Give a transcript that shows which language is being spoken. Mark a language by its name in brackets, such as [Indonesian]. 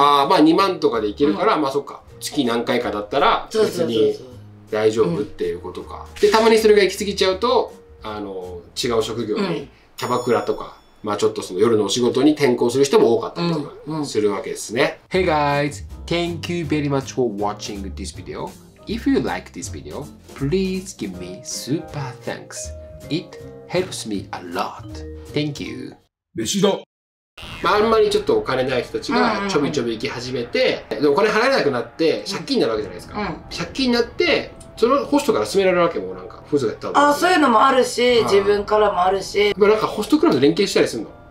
[Japanese] あ、まあ2万とかでいけるから、うん、まあそっか、月何回かだったら別に、そうそうそうそう、大丈夫っていうことか、うん、でたまにそれが行き過ぎちゃうと、あの違う職業に、うん、キャバクラとか、まあ、ちょっとその夜のお仕事に転向する人も多かったりとかするわけですね、う [English] んうん、Hey guys, thank you very much for watching this video. If you like this video, please give me super thanks. It helps me a lot. Thank you. [Japanese] 飯だ。まあ、あんまりちょっとお金ない人たちがちょびちょび行き始めて、うんうんうん、お金払えなくなって借金になるわけじゃないですか、うん、借金になってそのホストから勧められるわけも、なんか風俗やった、あ、そういうのもあるし、あ、自分からもあるし、まあ、なんかホストクラブと連携したりするの？